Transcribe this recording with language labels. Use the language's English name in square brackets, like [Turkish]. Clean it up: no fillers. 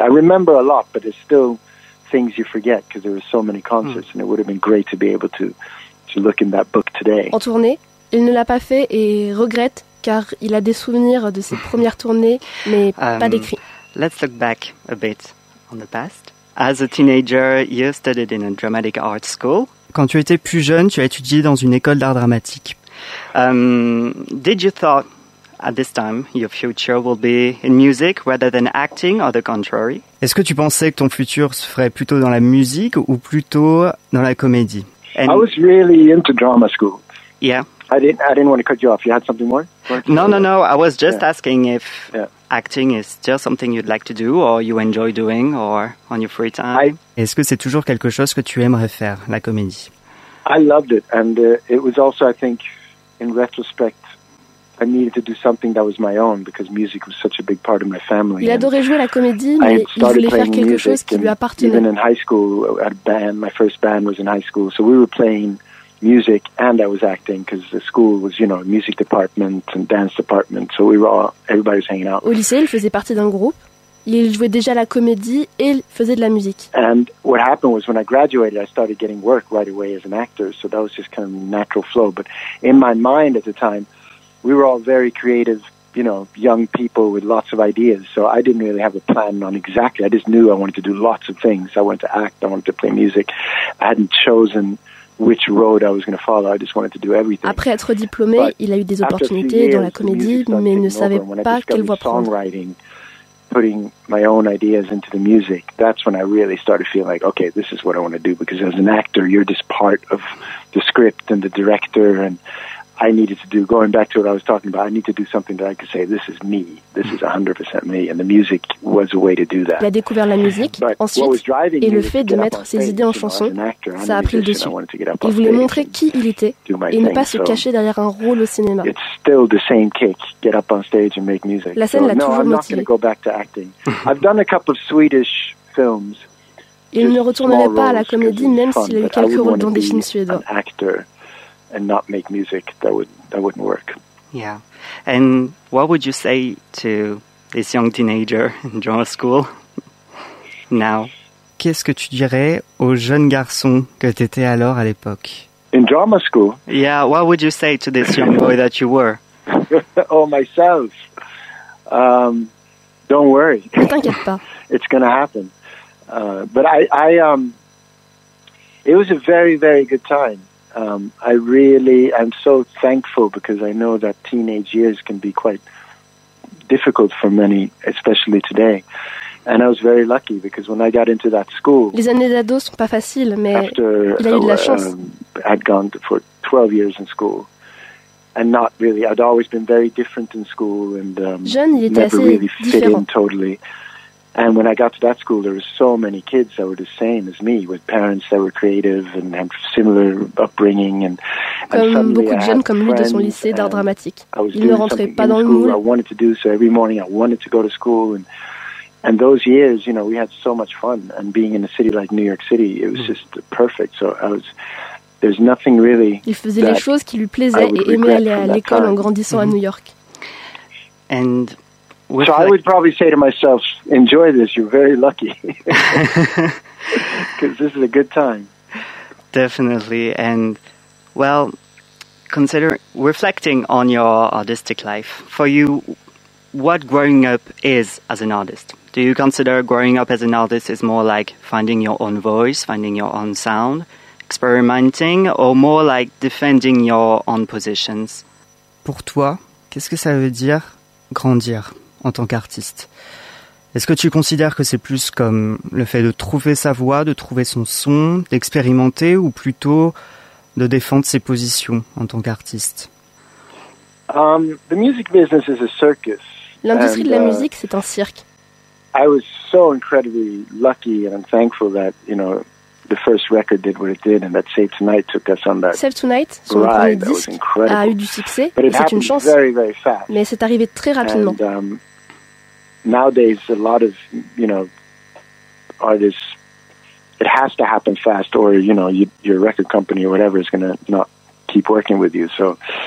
[English] I remember a lot, but there's still things you forget because there were so many concerts, and it would have been great to be able to look in that book today. [French] En tournée, il ne l'a pas fait et regrette car il a des souvenirs de ses premières tournées, mais pas d'écrit. [English] Let's look back a bit on the past. As a teenager, you studied in a dramatic art school. [French] Quand tu étais plus jeune, tu as étudié dans une école d'art dramatique. [English] Did you thought at this time, your future will be in music rather than acting, or the contrary? [French] Est-ce que tu pensais que ton futur se ferait plutôt dans la musique ou plutôt dans la comédie? [English] And I was really into drama school. Yeah. I didn't want to cut you off. You had something more? No. I was just asking if acting is still something you'd like to do, or you enjoy doing, or on your free time. [French] Est-ce que c'est toujours quelque chose que tu aimerais faire, la comédie? [English] I loved it, and it was also, I think, in retrospect, I needed to do something that was my own because music was such a big part of my family. [French] Il adorait jouer la comédie, mais il voulait faire quelque chose qui lui appartenait. [English] Even in high school, I had a band. My first band was in high school, so we were playing music, and I was acting because the school was, you know, a music department and dance department. So everybody was hanging out. [French] Au lycée, il faisait partie d'un groupe. Il jouait déjà la comédie et il faisait de la musique. [English] And what happened was when I graduated, I started getting work right away as an actor. So that was just kind of natural flow. But in my mind at the time, we were all very creative, you know, young people with lots of ideas. So I didn't really have a plan on exactly. I just knew I wanted to do lots of things. I wanted to act. I wanted to play music. I hadn't chosen which road I was going to follow. I just wanted to do everything. [French] Après être diplômé, but il a eu des opportunités dans la comédie, mais ne savait pas quelle voie prendre. [English] Putting my own ideas into the music, that's when I really started feeling like, okay, this is what I want to do. Because as an actor, you're just part of the script and the director and... I needed to do, going back to what I was talking about, I need to do something that I could say, this is me, this is 100% me, and the music was a way to do that. [French] Il a découvert la musique, ensuite, et le fait de mettre ses idées en chanson, ça a pris le dessus. Il voulait montrer qui il était, et ne pas se cacher derrière un rôle au cinéma. [English] It's still the same kick, get up on stage and make music. [French] La scène l'a toujours motivé. [English] No, I'm not going to go back to acting. I've done a couple of Swedish films. [French] Il ne retournerait pas à la comédie, même s'il a eu quelques rôles dans des films suédois. [English] And not make music, that wouldn't work. Yeah. And what would you say to this young teenager in drama school now? [French] Qu'est-ce que tu dirais au jeune garçon que tu étais alors à l'époque? [English] In drama school? Yeah, what would you say to this young boy that you were? Oh, myself. Don't worry. [French] Ne t'inquiète pas. [English] It's going to happen. But it was a very, very good time. I'm so thankful because I know that teenage years can be quite difficult for many, especially today. And I was very lucky because when I got into that school, [French] les années d'ado sont pas faciles, mais il a eu de la chance. [English] I'd gone for 12 years in school, and not really. I'd always been very different in school, and [French] jeune, il était [English] never really fit [French] différent. [English] In totally. And when I got to that school, there were so many kids that were the same as me, with parents that were creative and had similar upbringing. And [French] comme [English] and [French] beaucoup de jeunes comme lui de son lycée d'art dramatique, il ne rentrait pas dans le moule. [English] I wanted to do so every morning. I wanted to go to school and. And those years, you know, we had so much fun. And being in a city like New York City, it was just perfect. So I was, there's nothing really. [French] Il faisait les choses qui lui plaisaient et aimait aller à l'école en grandissant à New York. [English] And so I would probably say to myself, enjoy this. You're very lucky because this is a good time. Definitely. And well, consider reflecting on your artistic life. For you, what growing up is as an artist. Do you consider growing up as an artist is more like finding your own voice, finding your own sound, experimenting, or more like defending your own positions? [French] Pour toi, qu'est-ce que ça veut dire grandir en tant qu'artiste? Est-ce que tu considères que c'est plus comme le fait de trouver sa voix, de trouver son son, d'expérimenter, ou plutôt de défendre ses positions en tant qu'artiste? [English] The music business is a circus. [French] L'industrie de la musique, c'est un cirque. [English] I was so incredibly lucky and I'm thankful that, you know, the first record did what it did and that Save Tonight took us on that [French] Save Tonight, son premier disque, a eu du succès, [English] but [French] et c'est une chance, [English] very, very fast. [French] Mais c'est arrivé très rapidement. [English] And nowadays, a lot of, you know, artists, it has to happen fast or, you know, your record company or whatever is going to not keep working with you, so...